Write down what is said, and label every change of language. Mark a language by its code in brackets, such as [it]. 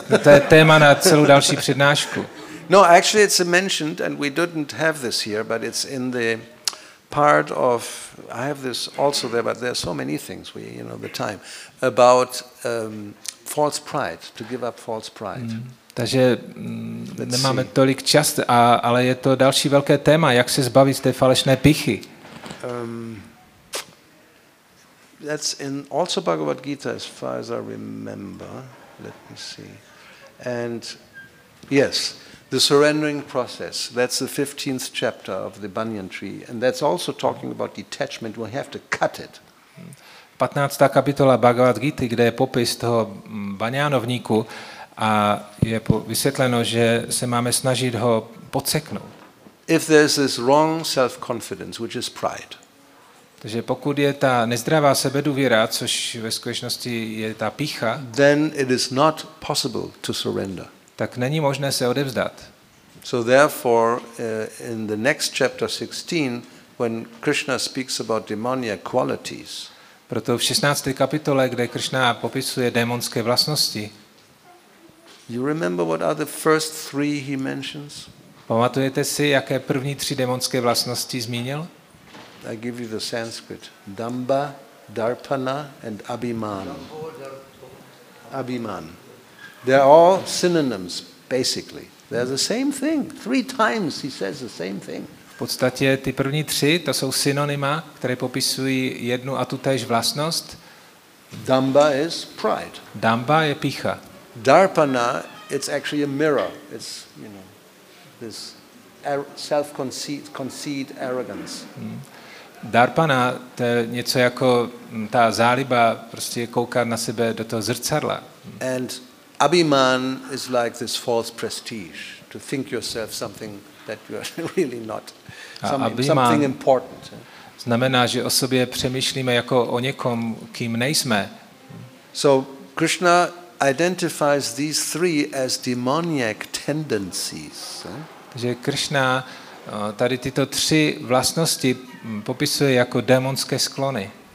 [cs] To je téma na celou další přednášku. [en] No, actually it's mentioned and we didn't have this here, but it's in the part of, I have this also there, but there are so many things, we, you know, the time, about false pride, to give up false pride. [cs] Takže nemáme tolik čas, ale je to další velké téma, jak se zbavit té falešné pychy. [en] That's in also Bhagavad Gita, as far as I remember. Let me see. And yes, the surrendering process. That's the 15th chapter of the banyan tree. And that's also talking about detachment. We have to cut it. [cs] 15. kapitola Bhagavad Gita, kde je popis toho baňánovníku a je vysvětleno, že se máme snažit ho podseknout. [en] If there's this wrong self-confidence, which is pride. [cs] Takže pokud je ta nezdravá sebeduvěra, což ve skutečnosti je ta pýcha, [en] then it is not possible to surrender. [cs] Tak není možné se odevzdat. [en] So therefore in the next chapter 16 when Krishna speaks about demonic qualities. [cs] Proto v 16. kapitole, kde Krishna popisuje démonské vlastnosti. [en] You remember what are the first three he mentions? [cs] Pamatujete si, jaké první tři démonské vlastnosti zmínil? [en] I give you the Sanskrit. Dambha, Darpana and Abhimana. Abhiman. They're all synonyms, basically. They're the same thing. Three times he says the same thing. [cs] V podstatě ty první tři, to jsou synonyma, které popisují jednu a tu též vlastnost. [en] Dambha is pride. [cs] Dambha je pícha. [en] Darpana, it's actually a mirror. It's, you know, this self-conceit, arrogance. [cs] Darpana, to je něco jako ta záliba, prostě koukat na sebe do toho zrcadla. [en] And Abhiman is like this false prestige, to think yourself something that you are really not, something important. [cs] Znamená, že o sobě přemýšlíme jako o někom, kým nejsme. [en] So Krishna identifies these three as demoniac tendencies. [cs] Takže Krishna tady tyto tři vlastnosti popisuje jako démonské sklony.